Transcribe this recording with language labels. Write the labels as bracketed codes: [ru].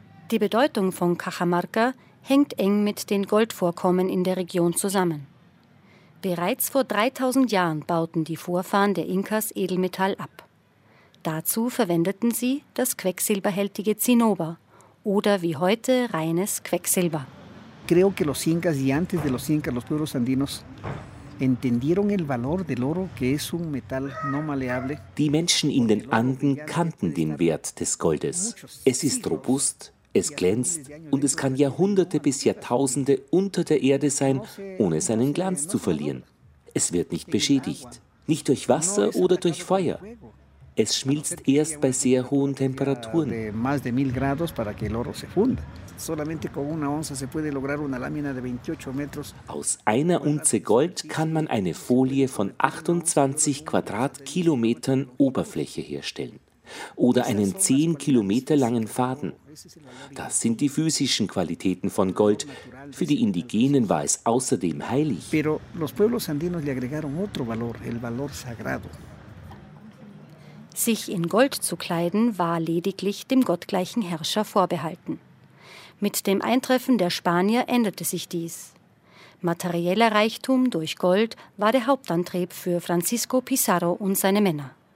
[de] Die Bedeutung von Cajamarca hängt eng mit den Goldvorkommen in der Region zusammen. Bereits vor 3000 Jahren bauten die Vorfahren der Inkas Edelmetall ab. Dazu verwendeten sie das quecksilberhältige Zinnober oder wie heute reines Quecksilber. [es] Creo que los Incas y antes de los Incas los pueblos andinos entendieron el valor del oro, que es un metal no maleable. [de] Die Menschen in den Anden kannten den Wert des Goldes. Es ist robust. Es glänzt und es kann Jahrhunderte bis Jahrtausende unter der Erde sein, ohne seinen Glanz zu verlieren. Es wird nicht beschädigt, nicht durch Wasser oder durch Feuer. Es schmilzt erst bei sehr hohen Temperaturen. Aus einer Unze Gold kann man eine Folie von 28 Quadratkilometern Oberfläche herstellen. Oder einen 10 Kilometer langen Faden. Das sind die physischen Qualitäten von Gold. Für die Indigenen war es außerdem heilig. [es] Pero los pueblos andinos le agregaron otro valor, el valor sagrado. [de] Sich in Gold zu kleiden, war lediglich dem gottgleichen Herrscher vorbehalten. Mit dem Eintreffen der Spanier änderte sich dies. Materieller Reichtum durch Gold war der Hauptantrieb für Francisco Pizarro und seine Männer.